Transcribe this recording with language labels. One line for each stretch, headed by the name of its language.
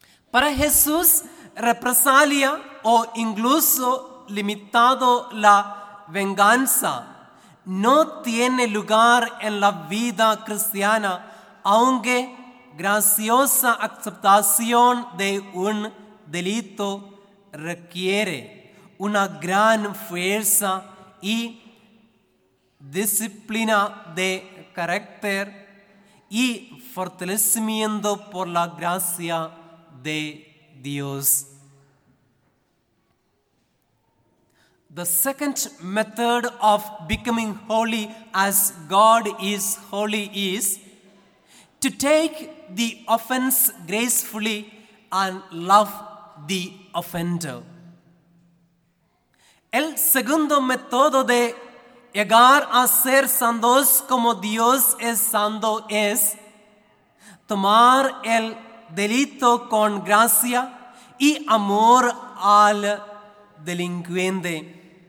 Spanish: Para Jesús, represalia o incluso limitado la venganza no tiene lugar en la vida cristiana, aunque graciosa aceptación de un delito requiere una gran fuerza y disciplina de carácter y fortalecimiento por la gracia de Dios.
English: The second method of becoming holy as God is holy is to take the offense gracefully and love the offender.
Spanish: El segundo método de llegar a ser santos como Dios es santo es tomar el delito con gracia y amor al delincuente.